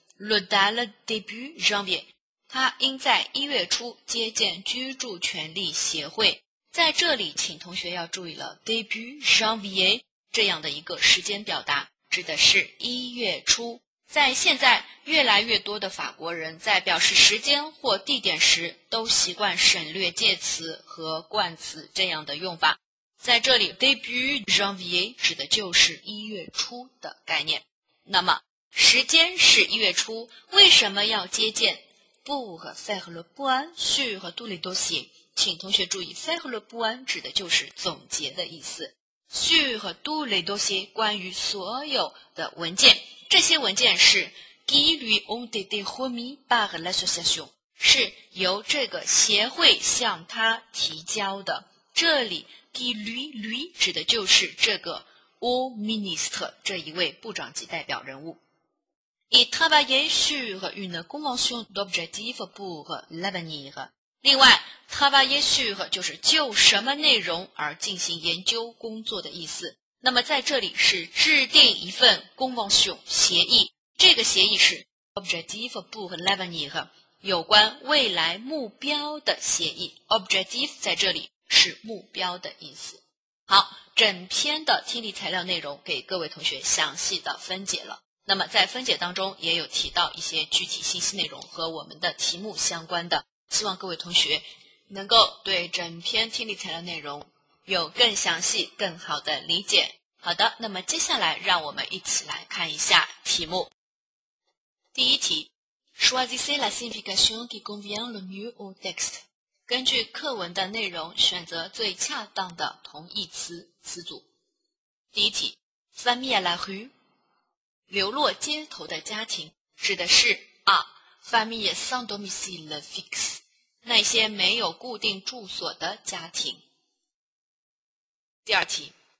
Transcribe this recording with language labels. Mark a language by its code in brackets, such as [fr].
[fr] Le DAL début janvier, [zh] 他应在1月初接见居住权利协会。在这里请同学要注意了 début janvier 这样的一个时间表达指的是1月初。在现在越来越多的法国人在表示时间或地点时都习惯省略介词和冠词这样的用法。在这里 début janvier 指的就是1月初的概念。那么 时间是1月初, 为什么要接见? [fr] Pour faire le point sur tous les dossiers. [zh] 请同学注意, faire le point 指的就是总结的意思。 [fr] Sur tous les dossiers, [zh] 关于所有的文件, 这些文件是 [fr] qui lui ont été remis par l'association, [zh] 是由这个协会向他提交的。这里, [fr] qui lui [zh] 指的就是这个 [fr] au ministre, [zh] 这一位部长级代表人物。 [fr] Et travailler sur une convention d'objectif pour l'avenir. [zh] 另外, [fr] travailler sur [zh] 就是就什么内容而进行研究工作的意思。那么在这里是制定一份convention协议。这个协议是 [fr] objectif pour l'avenir, [zh] 有关未来目标的协议。 Objectif 在这里是目标的意思。好,整篇的听力材料内容给各位同学详细的分解了。那么在分解当中也有提到一些具体信息内容和我们的题目相关的，希望各位同学能够对整篇听力材料内容有更详细、更好的理解。好的，那么接下来让我们一起来看一下题目。第一题 [fr] Choisissez la signification qui convient le mieux au texte. [zh] 根据课文的内容选择最恰当的同义词词组。第一题 [fr] Famille à la rue [zh] 流落街头的家庭指的是啊 [fr] famille sans domicile fixe [zh] 那些没有固定住所的家庭。第二题